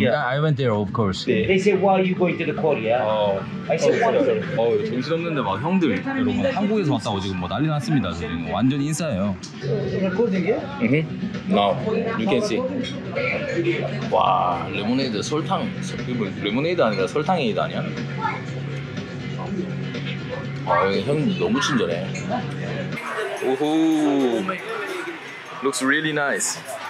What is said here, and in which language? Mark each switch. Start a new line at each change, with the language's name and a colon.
English: Yeah, I went there, of course. Yeah. They say, why are you going to the Korea? I said, why?
Korean: 정신없는데 막 형들 여러분 한국에서 왔다고 지금 뭐 난리 났습니다. 지금 완전 인싸예요.
English: Recording? Mm-hmm. Now you can see.
Korean: 와, 레모네이드 설탕. 이거 레모네이드 아니라 설탕이다 아니야? 아, 형 너무 친절해. 오호,
English: looks really nice.